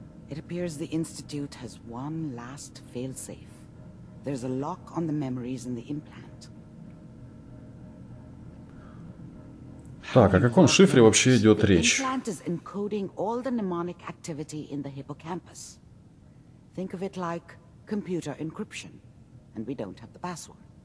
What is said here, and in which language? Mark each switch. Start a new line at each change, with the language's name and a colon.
English: It appears the Institute has one last failsafe. There's a lock on the memories in the implant.
Russian: Так, о каком шифре вообще идет речь?
English: The implant is encoding all the mnemonic activity in the hippocampus. Think of it like computer encryption, and we don't have the password.